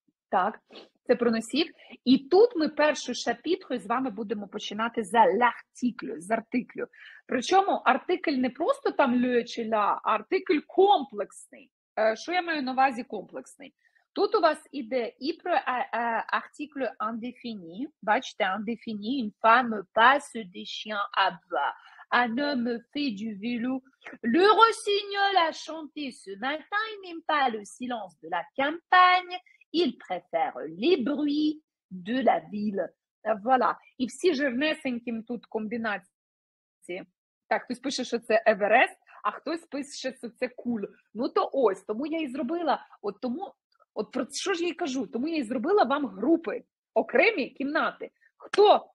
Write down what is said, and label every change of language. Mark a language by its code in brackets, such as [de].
[uk] Так, це про носіїв. І тут ми першу шапітку з вами будемо починати за l'article, з артиклю. Причому артикль не просто там le чи la, а артикль комплексний. Що я маю на увазі комплексний? [fr] Тут у вас іде і про article indéfini, бачите, indéfini, une femme passe des chiens à bas, un homme fait du vélo, le rossignol a chanté ce matin, il n'aime pas le silence de la campagne, il préfère les bruits de la ville. [uk] Voilà, і всі жирнесенькі тут комбінації. Так, хтось пише, що це Еверест, а хтось пише, що це кул. Ну то ось, тому я і зробила, от тому... От про що ж я й кажу? Тому я й зробила вам групи, окремі кімнати. Хто?